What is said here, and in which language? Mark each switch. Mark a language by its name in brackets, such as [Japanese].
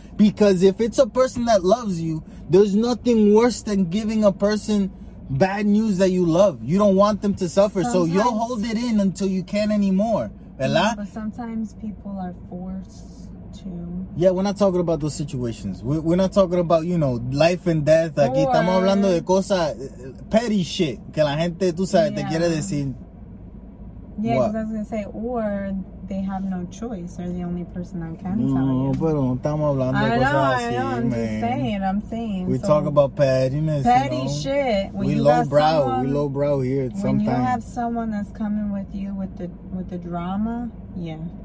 [English] Because if it's a person that loves you, there's nothing worse than giving a person bad news that you love. You don't want them to suffer. Sometimes, so you'll hold it in until you can't anymore. Yeah, but sometimes people are forced to. Yeah, we're not talking about those situations. We're not talking about, you know, life and death. [Spanish] Aquí estamos hablando de cosas [English] petty shit. [Spanish] Que la gente, tú sabes, te quiere decir. [English] Yeah, because I was going to say, or they have no choice. They're the only person that can tell you. [Spanish] No, pero estamos hablando de cosas así, [English] man. I'm just saying. We talk about pettiness. Petty, you know? Shit. When we lowbrow. We lowbrow here sometimes. When you have someone that's coming with you with the drama, yeah.